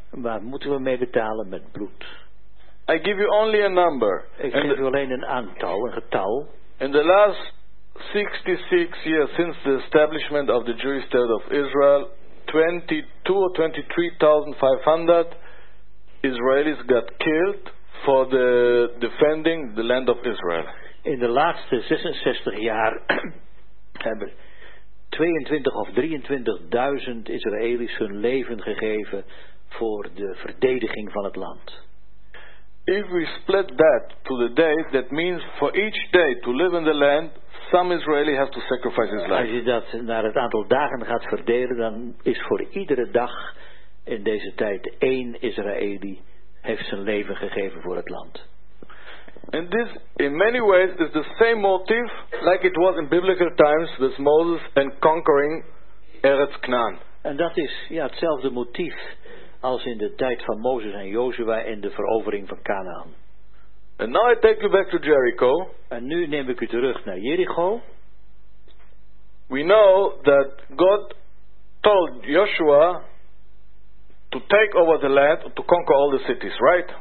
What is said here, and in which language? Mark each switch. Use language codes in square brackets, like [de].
[nl] Waar moeten we mee betalen? Met bloed. [en] I give you only a number. [nl] Ik geef u alleen een aantal, een getal. [en] In the last 66 years since the establishment of the Jewish state of Israel, 22 or 23,500 Israelis got killed for the defending the land of Israel. [nl] In de laatste 66 jaar hebben 22.000 of 23.000 Israëli's hun leven gegeven voor de verdediging van het land. [en] If we split that to the days, that means for each day to live in the land, some Israeli has to sacrifice his life. [nl] Als je dat naar het aantal dagen gaat verdelen, dan is voor iedere dag in deze tijd één Israëli heeft zijn leven gegeven voor het land. [en] And this, in many ways, is the same motif like it was in biblical times with Moses and conquering Eretz Canaan. [nl] En dat is ja hetzelfde motief als in de tijd van Mozes en Jozua in de verovering van Canaan. [en] And now I take you back to Jericho. [nl] En nu neem ik u terug naar Jericho. [en] We know that God told Joshua to take over the land to conquer all the cities, right?